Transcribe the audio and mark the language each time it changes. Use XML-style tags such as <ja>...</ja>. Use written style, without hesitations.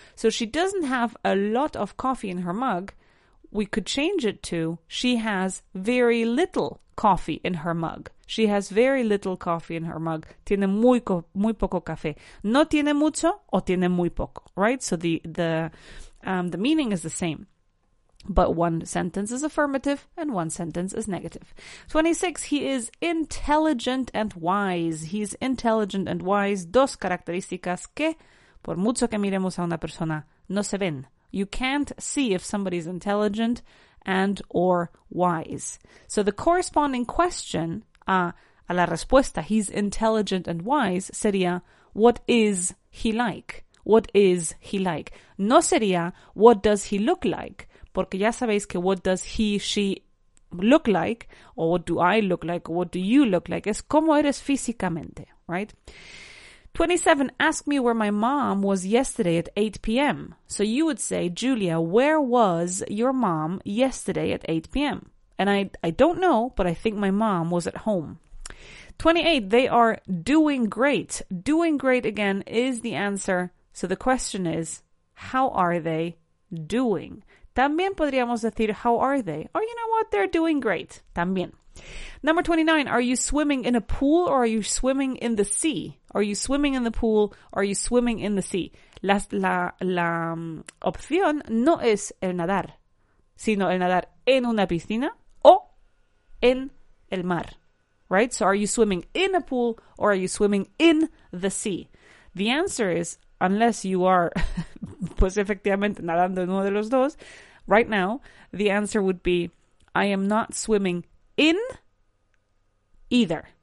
<en>So she doesn't have a lot of coffee in her mug. We could change it to she has very little coffee in her mug. She has very little coffee in her mug.</en> <es>Tiene muy poco café. No tiene mucho o tiene muy poco, right?</es> <en>So the meaning is the same. But one sentence is affirmative and one sentence is negative. 26, he is intelligent and wise. He's intelligent and wise.</en> <es>Dos características que, por mucho que miremos a una persona, no se ven.</es> <en>You can't see if somebody's intelligent and or wise. So the corresponding question</en> <es>a la respuesta,</es> <en>he's intelligent and wise,</en> <es>sería,</es> <en>what is he like? What is he like?</en> <es>No sería,</es> <en>what does he look like?</en> <es>Porque ya sabéis que</es> <en>what does he, she look like? Or what do I look like? Or what do you look like?</en> <es>Es como eres físicamente,</es> <en>right? 27, ask me where my mom was yesterday at 8 p.m. So you would say, Julia, where was your mom yesterday at 8 p.m.? And I don't know, but I think my mom was at home. 28, they are doing great. Doing great, again, is the answer. So the question is, how are they doing?</en> <es>También podríamos decir,</es> <en>how are they? Or you know what, they're doing great.</en> <es>También.</es> <en>Number 29, are you swimming in a pool or are you swimming in the sea? Are you swimming in the pool or are you swimming in the sea?</en> <es>La opción no es el nadar, sino el nadar en una piscina o en el mar.</es> <en>Right? So are you swimming in a pool or are you swimming in the sea? The answer is, unless you are,</en> <es>pues efectivamente, nadando en uno de los dos,</es> <en>right now, the answer would be, I am not swimming in either.</en>